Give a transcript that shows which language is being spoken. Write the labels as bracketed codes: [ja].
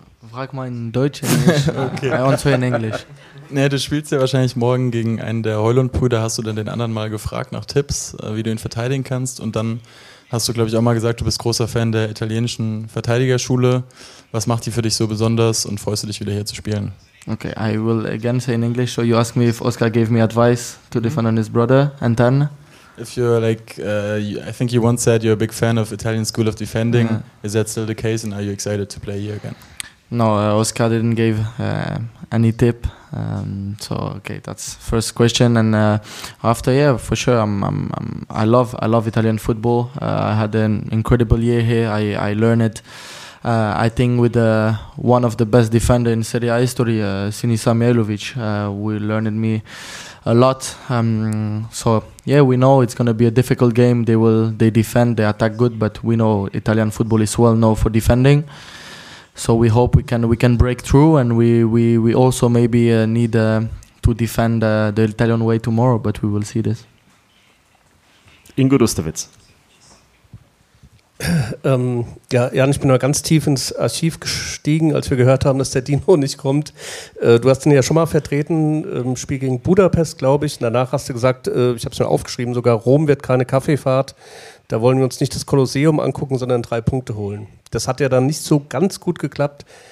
[de] Frag mal in Deutsch, Englisch. Okay. Und zwar in Englisch. Naja, du spielst ja wahrscheinlich morgen gegen einen der Heulund-Brüder. Hast du denn den anderen mal gefragt nach Tipps, wie du ihn verteidigen kannst? Und dann hast du, glaube ich, auch mal gesagt, du bist großer Fan der italienischen Verteidigerschule. Was macht die für dich so besonders und freust du dich, wieder hier zu spielen? [en] Okay, I will again say in English. So you ask me if Oscar gave me advice to defend on his brother, and then? If you're like, I think you once said you're a big fan of Italian school of defending. Yeah. Is that still the case and are you excited to play here again? No, Oscar didn't give any tip. So okay, that's first question. And after, yeah, for sure, I love Italian football. I had an incredible year here. I learned it. I think with one of the best defenders in Serie A history, Sinisa Mihailovic, we learned me a lot. So yeah, we know it's gonna be a difficult game. They defend, they attack good, but we know Italian football is well known for defending. So we hope we can break through, and we also maybe need to defend the Italian way tomorrow, but we will see this. [de] Ingo Dustewitz. Ja, Jan, ich bin mal ganz tief ins Archiv gestiegen, als wir gehört haben, dass der Dino nicht kommt. Du hast ihn ja schon mal vertreten, im Spiel gegen Budapest, glaube ich. Danach hast du gesagt, ich habe es mir aufgeschrieben, sogar Rom wird keine Kaffeefahrt. Da wollen wir uns nicht das Kolosseum angucken, sondern 3 Punkte holen. Das hat ja dann nicht so ganz gut geklappt.